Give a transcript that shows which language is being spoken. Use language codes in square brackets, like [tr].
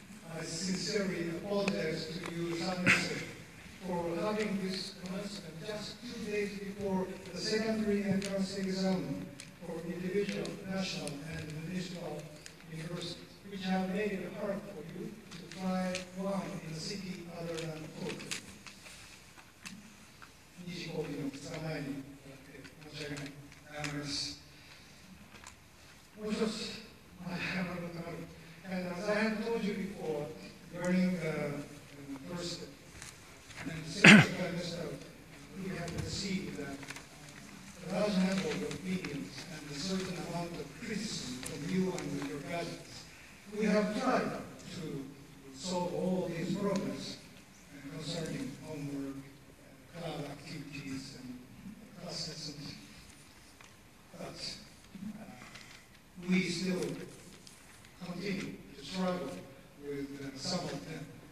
[en] I sincerely apologize to you, 3年生, for having this commencement just 2 days before the secondary entrance exam for individual, national, and municipal universities. Which have made it hard for you to try one in a city other than Tokyo. [ja] 二次講義の2日前に申し訳ない。謝ります。もう一つ、謝ることがある。 [en] And as I have told you before, during the first semester, we have received a large number of opinions and a certain amount of criticism from you and your graduates. We have tried to solve all these problems concerning homework, club activities, and classes, but we still continue to struggle with some of them.